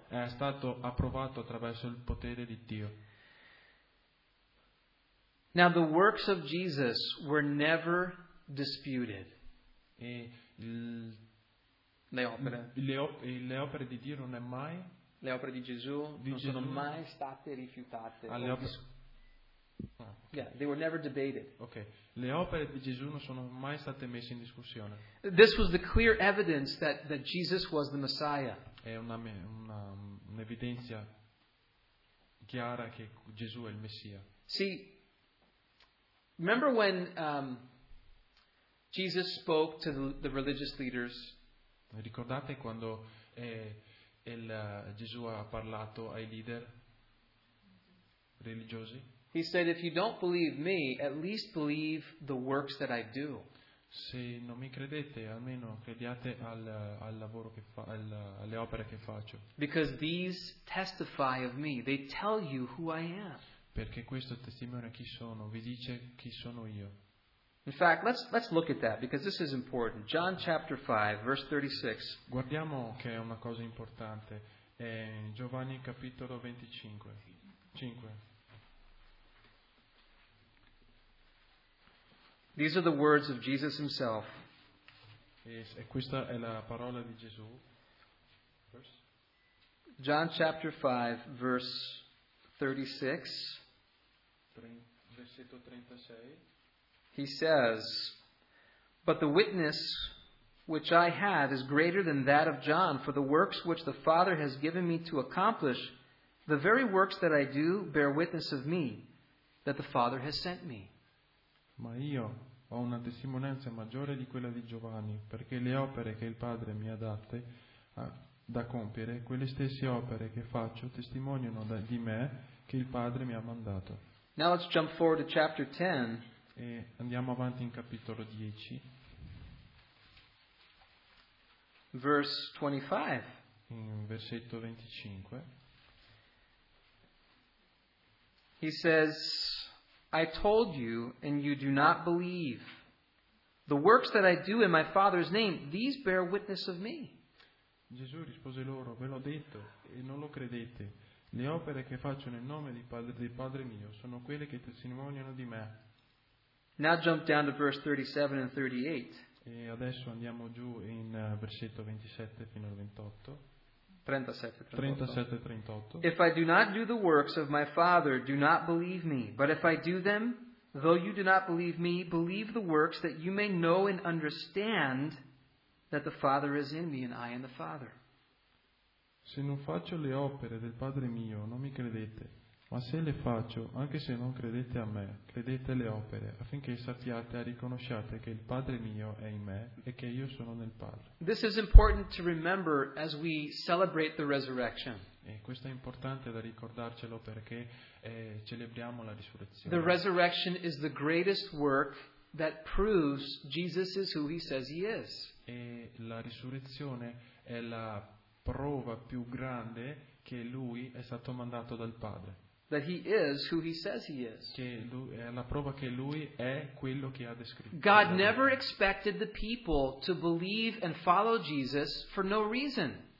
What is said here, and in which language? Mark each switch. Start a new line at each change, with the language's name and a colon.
Italian: È stato approvato attraverso il potere di Dio.
English: Now the works of Jesus were never disputed.
Italian: E le opere di Gesù non sono mai state rifiutate.
English: Yeah, they were never debated. Okay.
Italian: Le opere di Gesù non sono mai state messe in discussione.
English: This was the clear evidence that Jesus was the Messiah.
Italian: È un'evidenza chiara che Gesù è il Messia.
English: See, remember when Jesus spoke to the religious leaders?
Italian: Ricordate quando Gesù ha parlato ai leader religiosi?
English: He said, "If you don't believe me, at least believe the works that I do."
Italian: Se non mi credete, almeno crediate al lavoro che fa, alle opere che faccio.
English: Because these testify of me; they tell you who I am.
Italian: Perché questo testimonia chi sono, vi dice chi sono io.
English: In fact, let's look at that because this is important. John chapter 5, verse 36.
Italian: Guardiamo che è una cosa importante. È Giovanni capitolo 25. 5.
English: These are the words of Jesus himself.
Italian: E questa è la parola di Gesù.
English: John chapter 5, verse 36.
Italian: Versetto 36.
English: He says, "But the witness which I have is greater than that of John, for the works which the Father has given me to accomplish, the very works that I do bear witness of me, that the Father has sent me."
Italian: Ma io ho una testimonianza maggiore di quella di Giovanni, perché le opere che il Padre mi ha date da compiere, quelle stesse opere che faccio testimoniano di me che il Padre mi ha mandato.
English: Now let's jump forward to chapter 10.
Italian: E andiamo avanti in capitolo 10.
English: Verse 25.
Italian: In versetto 25.
English: He says, "I told you, and you do not believe. The works that I do in my Father's name, these bear witness of me."
Italian: Gesù rispose loro, "Ve l'ho detto, e non lo credete. Le opere che faccio nel nome del Padre mio sono quelle che testimoniano di me."
English: Now jump down to verse 37 and 38.
Italian: E adesso andiamo giù in versetto 27 fino al 28.
English: 37-38. "If I do not do the works of my Father, do not believe me. But if I do them, though you do not believe me, believe the works, that you may know and understand that the Father is in me and I in the Father."
Italian: Se non faccio le opere del Padre mio, non mi credete. Ma se le faccio, anche se non credete a me, credete le opere, affinché sappiate e riconosciate che il Padre mio è in me e che io sono nel Padre.
English: This is important to remember as we celebrate the resurrection.
Italian: E questo è importante da ricordarcelo perché celebriamo la risurrezione.
English: The resurrection is the greatest work that proves Jesus is who he says he is.
Italian: E la risurrezione è la prova più grande che lui è stato mandato dal Padre.
English: That he is who he says he is.
Italian: Che lui, è la prova che lui è quello che ha descritto.
English: God never expected the people to believe and follow Jesus for no reason.